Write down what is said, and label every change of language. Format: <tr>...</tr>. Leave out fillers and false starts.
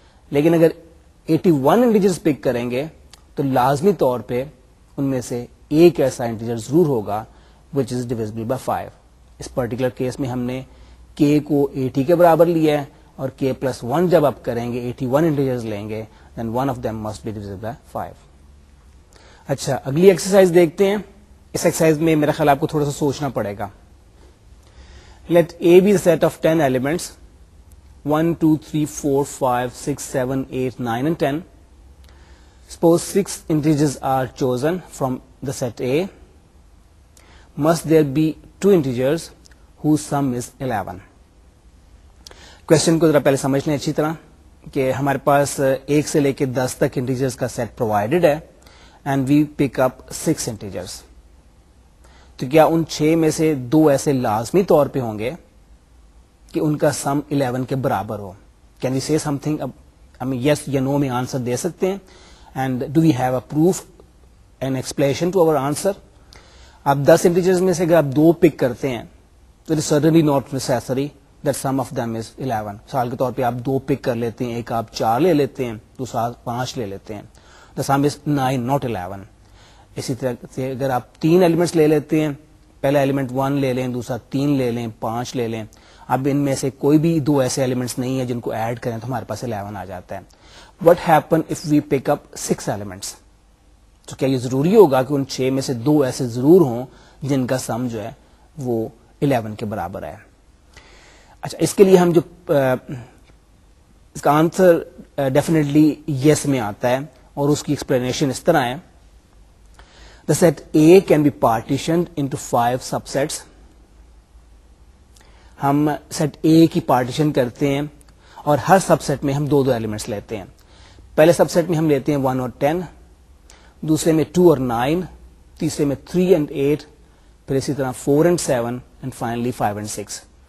<ur>لیکن اگر 81 انٹیجرز پک کریں گے تو لازمی طور پہ ان میں سے ایک ایسا انٹیجر ضرور ہوگا</ur> <en>Which is divisible by 5.</en> <ur>اس particular case میں ہم نے کے کو 80 کے برابر لیا ہے, اور کے پلس 1 جب آپ کریں گے 81 انٹیجرز لیں گے</ur> <en>Then one of them must be divisible by 5.</en> <ur>اچھا اگلی ایکسرسائز دیکھتے ہیں. اس ایکسرسائز میں میرا خیال آپ کو تھوڑا سا سوچنا پڑے گا.</ur> <en>Let A be set of 10 elements 1, 2, 3, 4, 5, 6, 7, 8, 9, and 10. Suppose 6 integers are chosen from the set A. Must there be 2 integers whose sum is 11?</en> <ur>Question کو ذرا پہلے سمجھ لیں اچھی طرح کہ ہمارے پاس 1 سے لے کے 10 تک انٹیجرز کا سیٹ پرووائڈیڈ ہے</ur> <en>And we pick up 6 integers.</en> <ur>تو کیا ان 6 میں سے 2 ایسے لازمی طور پہ ہوں گے کہ ان کا سم 11 کے برابر ہو؟</ur> <en>Can we say something?</en> <ur>یس یا نو میں آنسر دے سکتے ہیں.</ur> <en>And do we have a proof and explanation to our answer?</en> <ur>آپ 10 انٹیجرز میں سے اگر آپ 2 پک کرتے ہیں تو</ur> <en>It is certainly not necessary that sum of them is 11.</en> <ur>سال کے طور پہ آپ 2 پک کر لیتے ہیں, ایک آپ 4 لے لیتے ہیں, دوسرا 5 لے لیتے ہیں,</ur> <en>The sum is 9 not 11.</en> <ur>اسی طرح سے اگر آپ 3 ایلیمنٹس لے لیتے ہیں, پہلا ایلیمنٹ 1 لے لیں, دوسرا 3 لے لیں, 5 لے لیں, اب ان میں سے کوئی بھی 2 ایسے ایلیمنٹس نہیں ہے جن کو ایڈ کریں تو ہمارے پاس 11 آ جاتا ہے.</ur> <en>What happen if we pick up 6 elements?</en> <ur>تو کیا یہ ضروری ہوگا کہ ان 6 میں سے 2 ایسے ضرور ہوں جن کا سم جو ہے وہ 11 کے برابر ہے؟ اچھا اس کے لیے ہم جو اس کا آنسر ڈیفینیٹلی یس میں آتا ہے, اور اس کی ایکسپلینیشن اس طرح ہے.</ur> <en>The set A can be partitioned into 5 subsets.</en> <ur>ہم سیٹ اے کی پارٹیشن کرتے ہیں اور ہر سب سیٹ میں ہم 2 ایلیمنٹس لیتے ہیں. پہلے سب سیٹ میں ہم لیتے ہیں 1 اور 10, دوسرے میں 2 اور 9, تیسرے میں 3 اور 8, پھر اسی طرح 4 اور 7, اینڈ فائنلی 5 اور 6.</ur>